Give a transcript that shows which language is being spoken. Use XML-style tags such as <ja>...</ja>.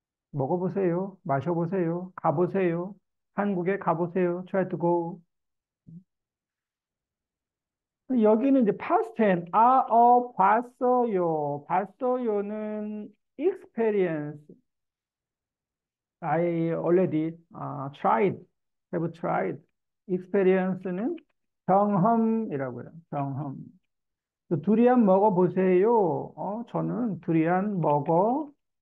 <ko>먹어보세요, 마셔보세요, 가보세요, 한국에 가보세요,</ko> <en>try to go.</en> <ko>여기는 이제 past tense, 봤어요. 봤어요는 experience.</ko> <en>I already tried, have tried.</en> <ko>experience는 경험이라고요, 경험. 두리안 먹어보세요. 저는 두리안 먹어봤어요.</ko>